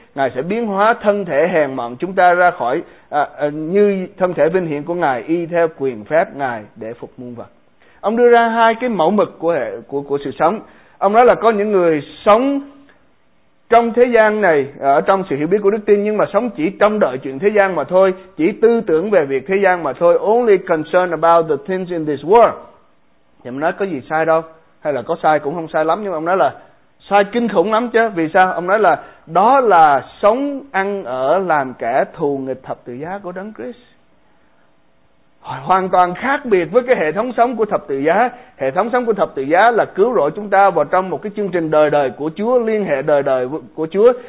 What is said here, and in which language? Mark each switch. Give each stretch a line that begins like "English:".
Vietnamese: Ngài sẽ biến hóa thân thể hèn mọn chúng ta ra khỏi như thân thể vinh hiển của Ngài, y theo quyền phép Ngài để phục muôn vật. Ông đưa ra hai cái mẫu mực của sự sống. Ông nói là có những người sống trong thế gian này, ở trong sự hiểu biết của đức tin, nhưng mà sống chỉ trông đợi chuyện thế gian mà thôi, chỉ tư tưởng về việc thế gian mà thôi.
English: Only concerned about the things in this world.
Vietnamese: Thì ông nói có gì sai đâu, hay là có sai cũng không sai lắm, nhưng mà ông nói là sai kinh khủng lắm chứ. Vì sao? Ông nói là đó là sống ăn ở làm kẻ thù nghịch thập tự giá của Đấng Christ. Hoàn toàn khác biệt với cái hệ thống sống của thập tự giá. Hệ thống sống của thập tự giá là cứu rỗi chúng ta vào trong một cái chương trình đời đời của Chúa, liên hệ đời đời của Chúa.